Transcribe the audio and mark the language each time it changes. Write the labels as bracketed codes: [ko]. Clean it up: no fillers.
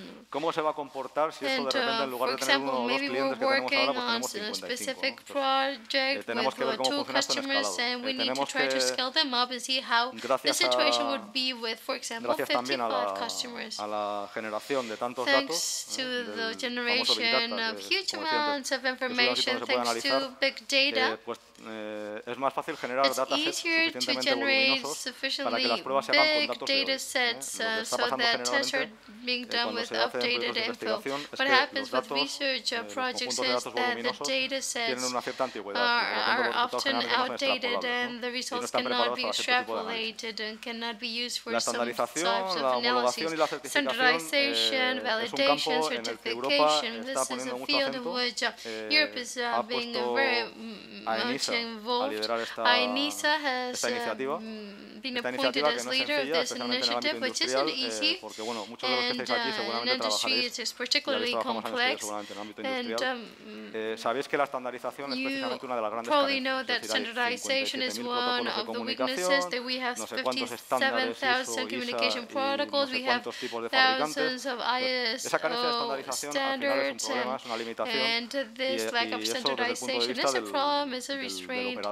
[es] ¿Cómo se va a comportar si esto de repente, en lugar de tener uno o dos clientes que tenemos ahora, pues tenemos 55? Tenemos que ver cómo funciona esto en escalado. Tenemos que [en] scale them up and see how the situation would be with, for example, 55 customers. [es] A la generación de tantos datos, es más fácil generar datasets suficientemente voluminosos para que las pruebas se hagan con datos reales. [en] So that tests are being done with updated info. What happens with research projects is that the data sets are often outdated and the results cannot be extrapolated and cannot be used for some types of analysis. Standardization, validation, certification, this is a field in which Europe is being very much involved. INISA has been appointed as leader of this initiative, which is [es] porque bueno, muchos de los que estáis aquí seguramente trabajaréis, [en] particularly complex, [es] seguramente en el ámbito industrial. Sabéis que la estandarización es precisamente una de las grandes carencias. [en] Know that standardization is one of the weaknesses, that we have 57,000 communication protocols, we have thousands of ISO standards, and this lack of standardization is a problem, is a restraint,